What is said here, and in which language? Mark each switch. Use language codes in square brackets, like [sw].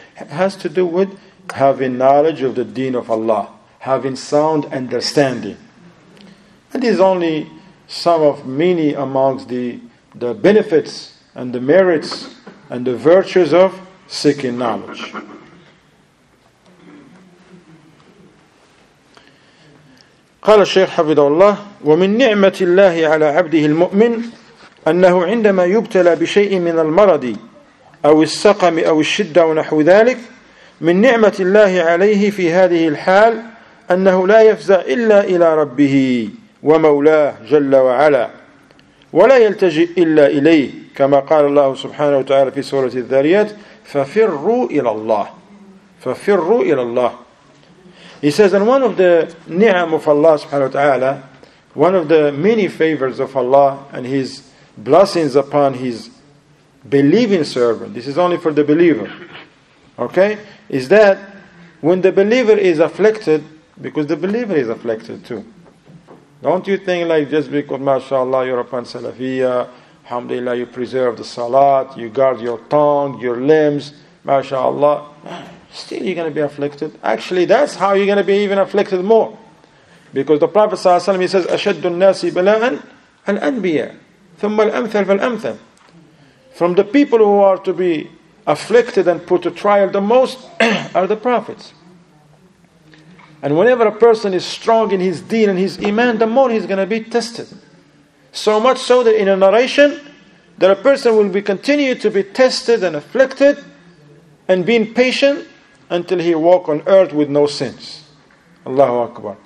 [en] It has to do with having knowledge of the deen of Allah. Having sound understanding. And this is only some of many amongst the benefits and the merits and the virtues of seeking knowledge. [ar] قال الشيخ حفظه الله ومن نعمة الله على عبده المؤمن أنه عندما يبتلى بشيء من المرض أو السقم أو الشدة ونحو ذلك من نعمة الله عليه في هذه الحال أنه لا يفزع إلا إلى ربه ومولاه جل وعلا ولا يلتجئ إلا إليه كما قال الله سبحانه وتعالى في سورة الذاريات ففروا إلى الله ففروا إلى الله. [en] He says that one of the ni'am of Allah subhanahu wa ta'ala, one of the many favors of Allah and His blessings upon His believing servant, this is only for the believer, okay, is that when the believer is afflicted, because the believer is afflicted too, don't you think like just because mashallah you're upon salafiyah, alhamdulillah you preserve the salat, you guard your tongue, your limbs, mashallah, still you're going to be afflicted. Actually, that's how you're going to be even afflicted more. Because the Prophet ﷺ, he says, [ar] أَشَدُّ النَّاسِ بَلَاءً الْأَنْبِيَا ثُمَّ الْأَمْثَلْ فَالْأَمْثَلْ. [en] From the people who are to be afflicted and put to trial the most are the prophets. And whenever a person is strong in his deen and his iman, the more he's going to be tested. So much so that in a narration, that a person will be continued to be tested and afflicted and being patient until he walk on earth with no sins. Allahu Akbar.